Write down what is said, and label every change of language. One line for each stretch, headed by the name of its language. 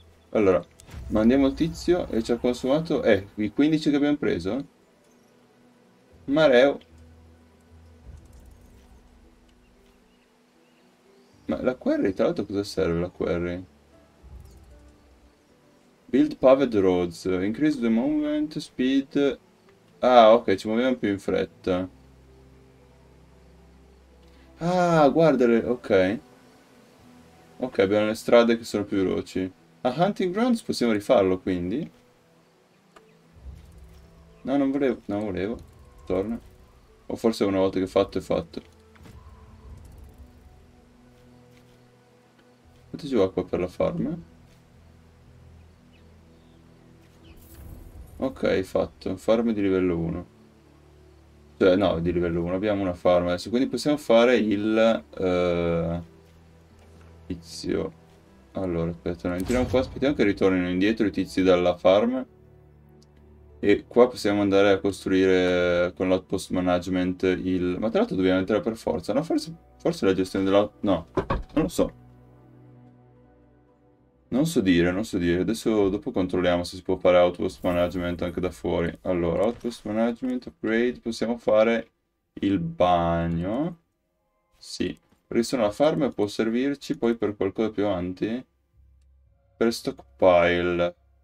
Italian: Allora, mandiamo il tizio e ci ha consumato. I 15 che abbiamo preso. Mareo. Ma la query, tra l'altro, cosa serve la query?
English: Build paved roads. Increase the movement speed.
Italian: Ah, ok, ci muoviamo più in fretta. Ah, guardale, ok. Ok, abbiamo le strade che sono più veloci. A Hunting Grounds possiamo rifarlo, quindi. No, non volevo. Non volevo. Torna. O forse una volta che è fatto, è fatto. Metti giù acqua per la farm. Ok, fatto. Farm di livello 1. Cioè, no, di livello 1. Abbiamo una farm adesso. Quindi possiamo fare il. Tizio. Allora, aspetta, no, entriamo qua, aspettiamo che ritornino indietro i tizi dalla farm. E qua possiamo andare a costruire con l'outpost management il. Ma tra l'altro dobbiamo entrare per forza. No, forse la gestione dell'out. No, non lo so. Non so dire, non so dire. Adesso dopo controlliamo se si può fare outpost management anche da fuori. Allora, outpost management upgrade. Possiamo fare il bagno. Sì. Risuona la farm può servirci poi per qualcosa più avanti. Per stockpile.